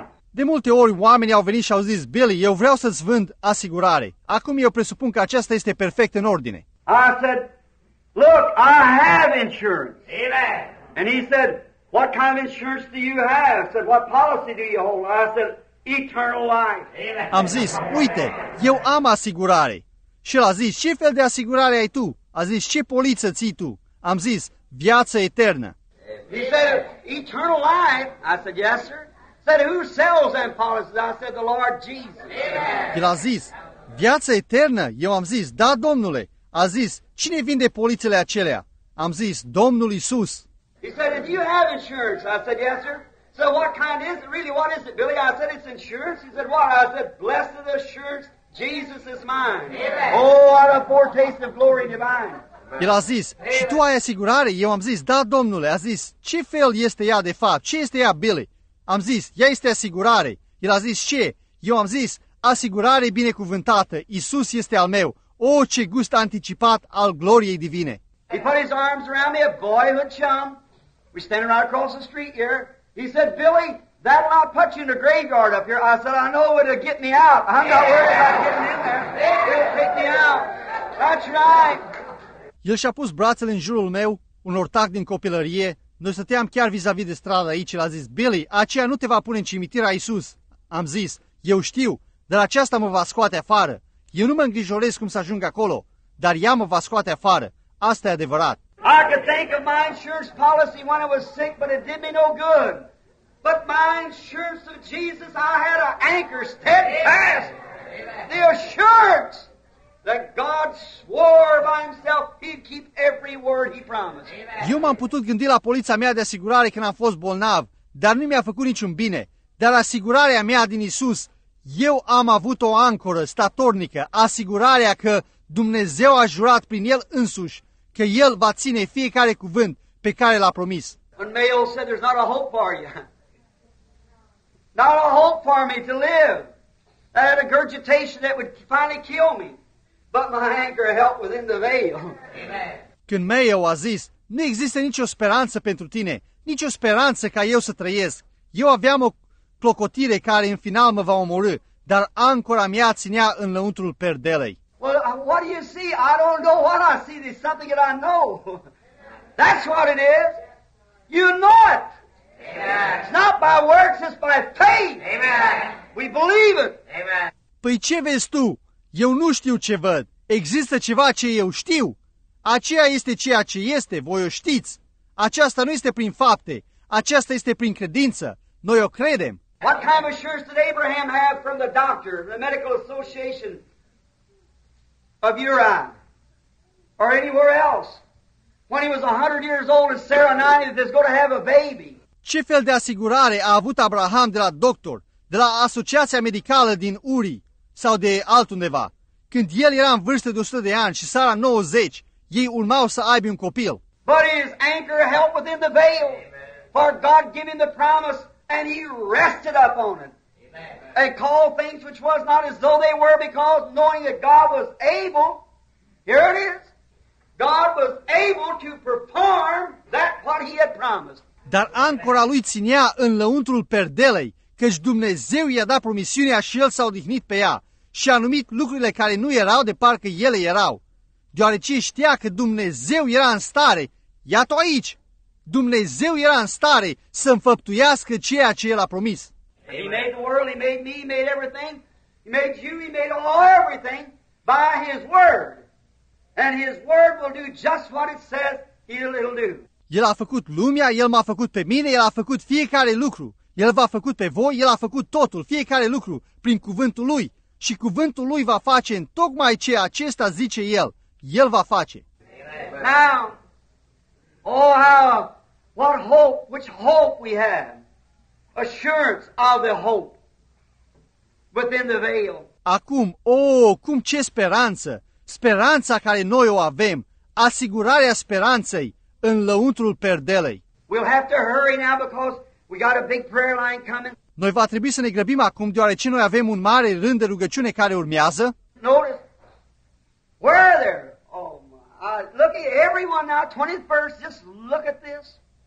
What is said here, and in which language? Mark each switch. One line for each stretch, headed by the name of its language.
Romanian: De multe ori oamenii au venit și au zis, Billy, eu vreau să-ți vând asigurare. Acum eu presupun că aceasta este perfect în ordine.
English: I said, look, I have insurance. Amen. And he said, what kind of insurance do you have? I said, what policy do you hold? I said, eternal life. Amen.
Romanian: Am zis, uite, eu am asigurare. Și el a zis, ce fel de asigurare ai tu? A zis, ce poliță ții tu? Am zis, viață eternă.
English: He said, eternal life. I said, yes, sir. He said, who sells them policies? I said, the Lord Jesus. Amen.
Romanian: El a zis, viață eternă? Eu am zis, da, Domnule. A zis, cine vinde polițele acelea? Am zis, Domnul Iisus.
English: He said, if you have insurance? I said, yes, sir. So what kind is it? Really, what is it, Billy? I said, it's insurance. He said, what? I said, blessed assurance, Jesus is mine. Amen. Oh, what a foretaste of glory divine.
Romanian: El a zis, Amen. Și tu ai asigurare? Eu am zis, da, Domnule. A zis, ce fel este ea de fapt? Ce este ea, Billy? Am zis, ea este asigurare. El a zis, ce? Eu am zis, asigurare binecuvântată. Iisus este al meu. O, ce gust anticipat al gloriei divine.
English: He put his arms around me, a boyhood chum. We're standing right across the street here. He said, Billy, that'll not put you in the graveyard up here. I said, I know it'll get me out. I'm not worried about getting in there. It'll pick me out. That's right.
Romanian: El și-a pus brațele în jurul meu, un ortac din copilărie. Noi stăteam chiar vis-a-vis de stradă aici. L-a zis, Billy, aceea nu te va pune în cimitir, Iisus. Am zis, eu știu, dar aceasta mă va scoate afară. Eu nu mă îngrijoresc cum să ajung acolo, dar ea mă va scoate afară. Asta e adevărat.
English: I could think of my insurance policy when I was sick, but it did me no good. But my insurance of Jesus, I had an anchor steadfast. The assurance. That God swore by himself he'd keep every word he promised. Amen.
Romanian: Eu m-am putut gândi la polița mea de asigurare când am fost bolnav, dar nu mi-a făcut niciun bine. Dar asigurarea mea din Iisus, eu am avut o ancoră statornică, asigurarea că Dumnezeu a jurat prin El însuși, că El va ține fiecare cuvânt pe care l-a promis.
English: When Mayo said there's not a hope for you. Not a hope for me to live. I had a regurgitation that would finally kill me. But my anchor held within the veil. Amen.
Romanian: Când Mayo a zis, nu există nicio speranță pentru tine, nicio speranță ca eu să trăiesc. Eu aveam o clocotire care în final mă va omorâ, dar ancora mea ținea în lăuntrul perdelei.
English: Well, what do you see? I don't know what I see. There's something that I know. That's what it is. You know it. Amen. It's not by works, it's by faith. Amen. We believe it. Amen.
Romanian: Păi ce vezi tu? Eu nu știu ce văd. Există ceva ce eu știu. Aceea este ceea ce este, voi o știți. Aceasta nu este prin fapte, aceasta este prin credință. Noi o credem.
English: What kind of assurance did Abraham have from the doctor, the medical association of Uri, or anywhere else, when he was 100 years old and Sarah 90, that he's going to have a baby?
Romanian: Ce fel de asigurare a avut Abraham de la doctor, de la asociația medicală din Uri sau de altundeva, când el era în vârstă de 100 de ani și Sara 90, ei urmau să aibă un copil?
English: But his anchor held within the veil, for God gave him the promise, and he rested up on it. Amen. And called things which was not as though they were, because knowing that God was able, here it is, God was able to perform that what he had promised.
Romanian: Dar ancora lui ținea în lăuntrul perdelei, căci Dumnezeu i-a dat promisiunea și el s-a odihnit pe ea și a numit lucrurile care nu erau de parcă ele erau. Deoarece știa că Dumnezeu era în stare, iată aici, Dumnezeu era în stare să înfăptuiască ceea ce El a promis.
English: He made the world, He made me, He made everything, He made you, He made all everything by His word. And His word will do just what it says it'll do.
Romanian: El a făcut lumea, El m-a făcut pe mine, El a făcut fiecare lucru. El v-a făcut pe voi, El a făcut totul, fiecare lucru, prin cuvântul Lui. Și cuvântul Lui va face în tocmai ce acesta zice El. El va face.
English: Now, oh, how, what hope, which hope we have. Assurance of the hope within the veil.
Romanian: Acum, oh, cum ce speranță! Speranța care noi o avem, asigurarea speranței în lăuntrul perdelei.
English: We'll have to hurry now because we got a big prayer line coming.
Romanian: Noi va trebui să ne grăbim acum deoarece noi avem un mare rând de rugăciune care urmează.
English: Notice, where are there? Look at everyone now, 20th verse, just look at this.